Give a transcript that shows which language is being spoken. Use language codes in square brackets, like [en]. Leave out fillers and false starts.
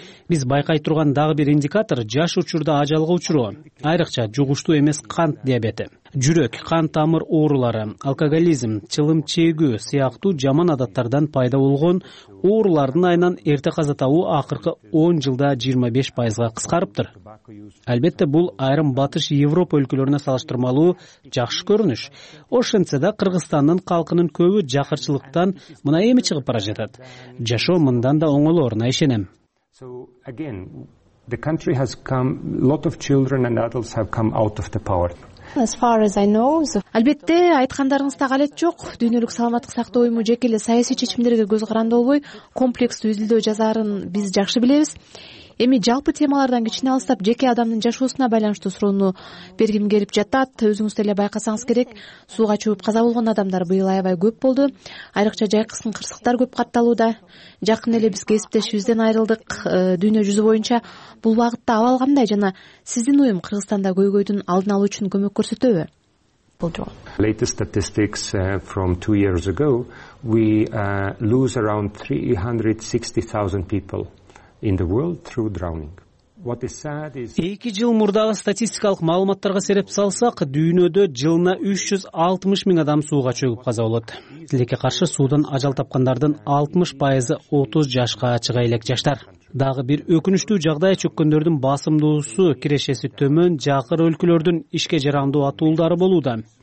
[ky] Биз байкай турган дагы бир индикатор жаш учурда ажалга учуроо, айрыкча жугуштуу эмес кант диабети, жүрөк, кан тамыр оорулары, алкоголизм, чылым чегүү сыяктуу жаман адаттардан пайда болгон оорулардын айынан эрте каза табуу акыркы 10 жылда 25% кыскарыптыр. Албетте, бул айрым батыш Европа өлкөлөрүнө салыштырмалуу жакшы көрүнүш. Ошентсе да Кыргызстандын калкынын көбү жакырчылыктан мына эми чыгып бара жатат. Жашоо мындан да оңолоруна ишенем. [en] So again, the country has come, lot of children and adults have come out of the poverty. As far as I know, [ky] Албетте, айткандарыңыз тагалет жок. Дүйнөлүк саламаттык сактоо уюму жеке эле саясий чечимдерге көз каранды болбой, комплекстүү изилдөө жазарын биз жакшы билебиз. Эми жалпы темалардан кичине алыстап, жеке адамдын жашоосуна байланыштуу суроону бергим келип жатат. Өзүңүз деле байкасаңыз керек, сууга чөгүп каза болгон адамдар быйыл аябай көп болду. Айрыкча жайкысын кырсыктар көп катталууда. Жакында эле биз кесиптешибизден айрылдык. Дүйнө жүзү боюнча бул багытта абал кандай жана сиздин уюм Кыргызстанда көйгөйдүн алдын алуу үчүн көмөк көрсөтөбү? [en] Latest statistics from 2 years ago, we lose around 360,000 people. In the world through drowning. What is sad is [ky] 2 жыл мурдагы статистикалык маалыматтарга сереп салсак, дүйнөдө жылына 360 миң адам сууга чөгүп каза болот. Тилекке каршы суудан ажал тапкандардын 60% 30 жашка чыга элек жаштар. Дагы бир өкүнүчтүү жагдай чөккөндөрдүн басымдуусу кирешеси төмөн жакыр өлкөлөрдүн ишке жарандуу атуулдары болууда.